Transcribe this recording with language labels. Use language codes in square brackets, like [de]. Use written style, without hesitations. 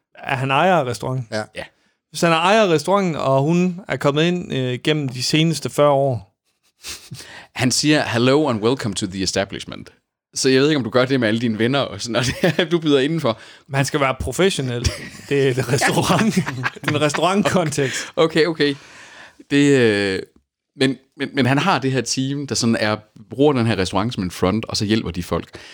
[da] Er han ejer af restauranten? Ja. Hvis han er ejer af restauranten, og hun er kommet ind gennem de seneste 40 år. Han siger, [en] hello and welcome to the establishment. [da] Så jeg ved ikke, om du gør det med alle dine venner, og sådan, og det, du byder indenfor. Man skal være professionel. Det er et restaurant. Det er en restaurantkontekst. Okay, okay. Det, men han har det her team, der sådan er, bruger den her restaurant som en front, og så hjælper de folk.